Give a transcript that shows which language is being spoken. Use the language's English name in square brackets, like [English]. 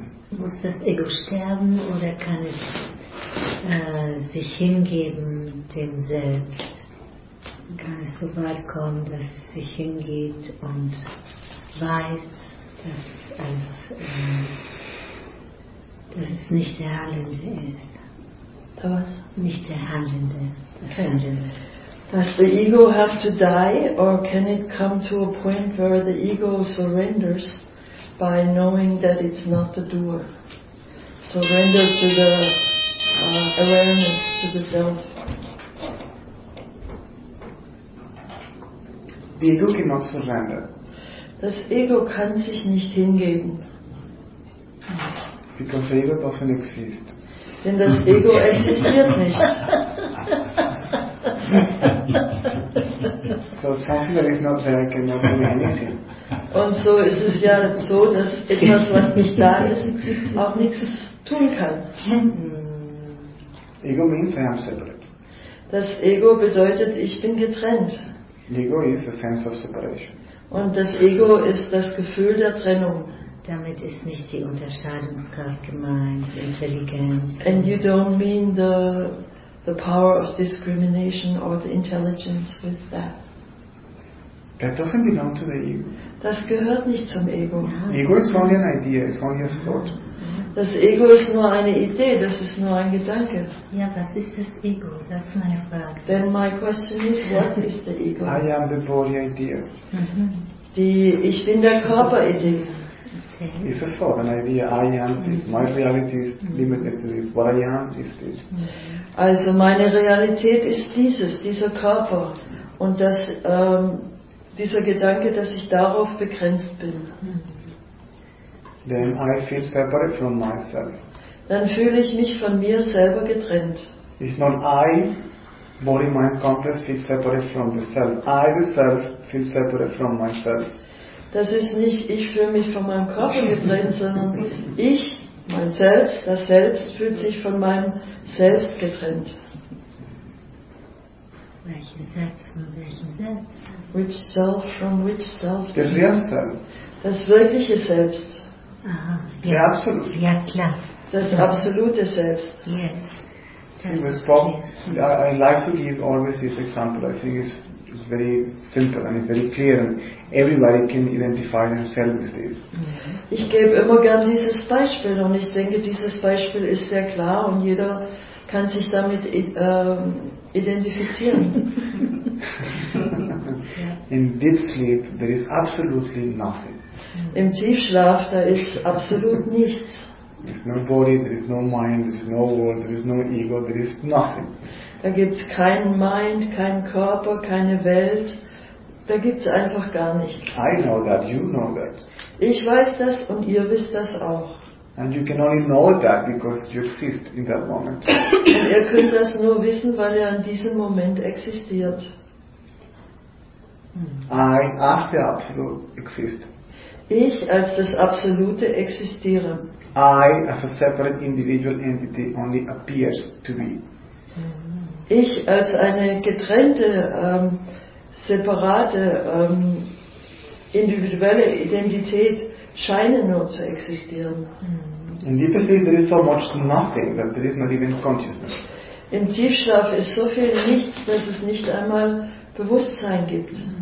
[German] Muss das Ego sterben oder kann es sich hingeben dem Selbst? Kann es so weit kommen, dass es sich hingeht und weiß, dass es nicht der Heilende ist? Da was? Nicht der Heilende. [English] Does the ego have to die, or can it come to a point where the ego surrenders by knowing that it's not the doer? Surrender to the awareness, to the self. The ego cannot surrender. [German] Das Ego kann sich nicht hingeben. [English] Because the ego doesn't exist. [German] Denn das Ego existiert nicht. [English] So something that is not there cannot do anything. [German] Und so ist es ja so, dass etwas, was nicht da ist, auch nichts tun kann. [English] Ego means I am separate. [German] Das Ego bedeutet, ich bin getrennt. [English] Ego is a sense of separation. [German] Und das Ego ist das Gefühl der Trennung. Damit ist nicht die Unterscheidungskraft gemeint, Intelligenz. [English] And you don't mean the power of discrimination or the intelligence with that. That doesn't belong to the ego. [German] Das gehört nicht zum Ego. [English] Ego is only an idea, it's only a thought. [German] Das Ego ist nur eine Idee, das ist nur ein Gedanke. Ja, was ist das Ego? Das ist meine Frage. [English] Then my question is, what is the ego? I am the body idea. [German] Die ich bin der Körper-Idee. [English] Okay. It's a thought, an idea. I am this. My reality is limited to this. What I am is this. [German] Also meine Realität ist dieses, dieser Körper. Und das, dieser Gedanke, dass ich darauf begrenzt bin. [English] Then I feel separate from myself. [German] Dann fühle ich mich von mir selber getrennt. [English] It's not I, body, mind, complex, feel separate from the self. I, the self, feel separate from myself. [German] Das ist nicht, ich fühle mich von meinem Körper getrennt, sondern ich, mein Selbst, das Selbst, fühlt sich von meinem Selbst getrennt. Welchen Selbst von welchem Selbst? [English] Which self from which self? [German] Der [English] real self. [German] Das wirkliche Selbst. Aha. Der ja. [English] Absolute. [German] Ja, klar. Das absolute Selbst. [English] Yes. I like to give always this example. I think it's very simple and it's very clear and everybody can identify themselves with this. [German] Ich gebe immer gern dieses Beispiel und ich denke, dieses Beispiel ist sehr klar und jeder kann sich damit identifizieren. [English] In deep sleep there is absolutely nothing. [German] Im Tiefschlaf, da ist absolut nichts. [English] There is no body, there is no mind, there is no world, there is no ego, there is nothing. [German] Da gibt's keinen Mind, keinen Körper, keine Welt. Da gibt's einfach gar nichts. [English] I know that, you know that. [German] Ich weiß das und ihr wisst das auch. [English] And you can only know that because you exist in that moment. [German] Und ihr könnt das nur wissen, weil ihr in diesem Moment existiert. [English] I, as the absolute, exist. [German] Ich als das Absolute existiere. [English] I, as a separate individual entity, only appears to be. [German] Ich als eine getrennte, separate, individuelle Identität scheine nur zu existieren. [English] In deep sleep there is so much nothing that there is not even consciousness. [German] Im Tiefschlaf ist so viel nichts, dass es nicht einmal Bewusstsein gibt.